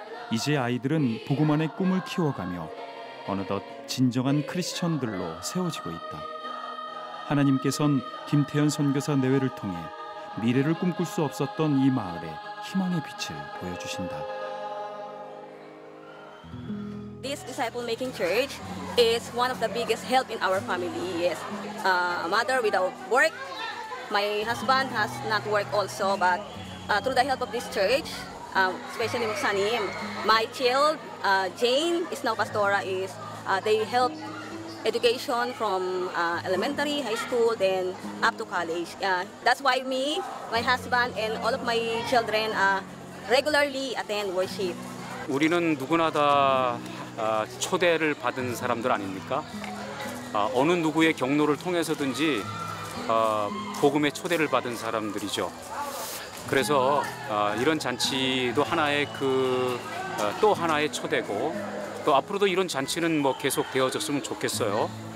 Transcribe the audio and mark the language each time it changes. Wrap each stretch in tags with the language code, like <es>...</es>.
<ko>이제 아이들은 복음만의 꿈을 키워가며 어느덧 진정한 크리스천들로 세워지고 있다. 하나님께선 김태현 선교사 내외를 통해 미래를 꿈꿀 수 없었던 이 마을에 희망의 빛을 보여주신다.</ko> <en>This disciple making church is one of the biggest help in our family. Yes, a mother without work. My husband has not work also, but through the help of this church, especially Moksanim, my child Jane is now pastora. Is they help education from elementary, high school, then up to college. That's why me, my husband, and all of my children regularly attend worship.</en> <ko>우리는 누구나 다 초대를 받은 사람들 아닙니까? 어느 누구의 경로를 통해서든지 복음의 초대를 받은 사람들이죠. 그래서 이런 잔치도 하나의 그 또 하나의 초대고 또 앞으로도 이런 잔치는 뭐 계속 되어졌으면 좋겠어요.</ko>